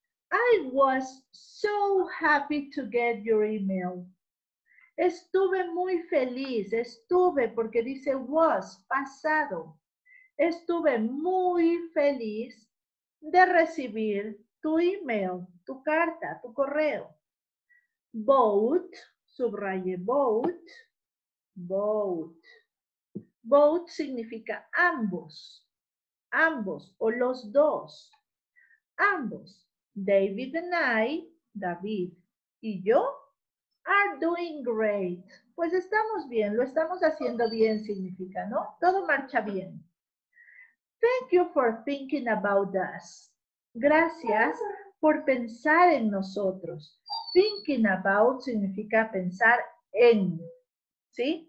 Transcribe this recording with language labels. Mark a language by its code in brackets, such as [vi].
[en] I was so happy to get your email. [es] Estuve muy feliz, estuve, porque dice was, pasado. Estuve muy feliz de recibir tu email, tu carta, tu correo. Boat, subraye boat, boat. Boat significa ambos, ambos o los dos, ambos. [en] David and I, David y yo, are doing great. [es] Pues estamos bien, lo estamos haciendo bien, significa, ¿no? [en] Todo marcha bien. Thank you for thinking about us. [es] Gracias por pensar en nosotros. Thinking about significa pensar en, ¿sí?